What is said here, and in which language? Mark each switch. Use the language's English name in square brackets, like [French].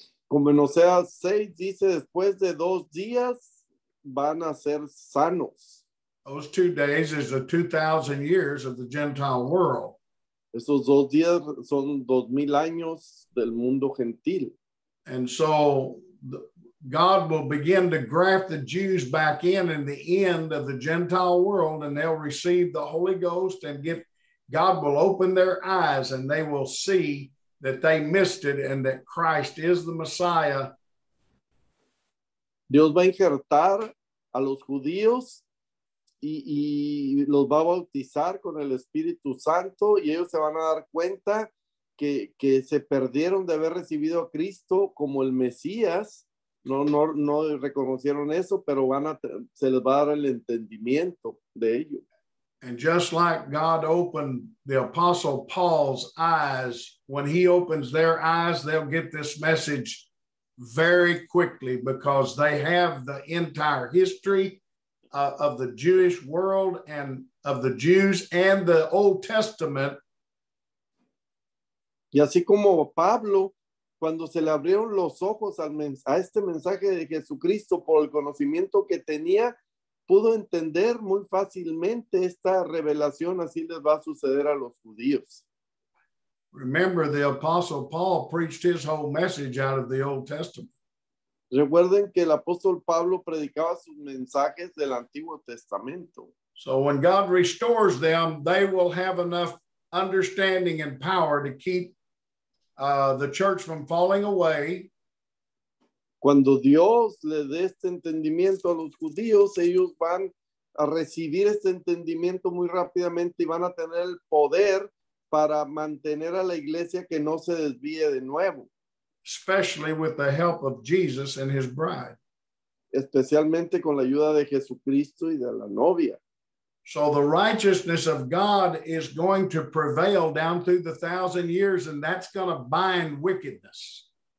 [Spanish] Como en Hosea 6 dice, después de 2 días van a ser sanos. [English] Those 2 days is the 2,000 years of the Gentile world. [Spanish] Esos 2 días son 2,000 años del mundo gentil. [English] And so God will begin to graft the Jews back in the end of the Gentile world, and they'll receive the Holy Ghost and get, God will open their eyes and they will see that they missed it and that Christ is the Messiah. [Spanish] Dios va a injertar a los judíos y los va a bautizar con el Espíritu Santo, y ellos se van a dar cuenta que se perdieron de haber recibido a Cristo como el Mesías. No reconocieron eso, pero se les va a dar el entendimiento de ello. [English] And just like God opened the Apostle Paul's eyes, when he opens their eyes, they'll get this message very quickly, because they have the entire history of the Jewish world and of the Jews and the Old Testament. [Spanish] Y así como Pablo, cuando se le abrieron los ojos a este mensaje de Jesucristo por el conocimiento que tenía, pudo entender muy fácilmente esta revelación, así les va a suceder a los judíos. [English] Remember, the Apostle Paul preached his whole message out of the Old Testament. [Spanish] Recuerden que el apóstol Pablo predicaba sus mensajes del Antiguo Testamento. [English] So when God restores them, they will have enough understanding and power to keep the church from falling away. [Spanish] Cuando Dios le dé este entendimiento a los judíos, ellos van a recibir este entendimiento muy rápidamente y van a tener el poder para mantener a la iglesia que no se desvíe de nuevo. Especially with the help of Jesus and his bride. Especialmente con la ayuda de Jesucristo y de la novia. [English] So the righteousness of God is going to prevail down through the 1,000 years, and that's going to bind wickedness.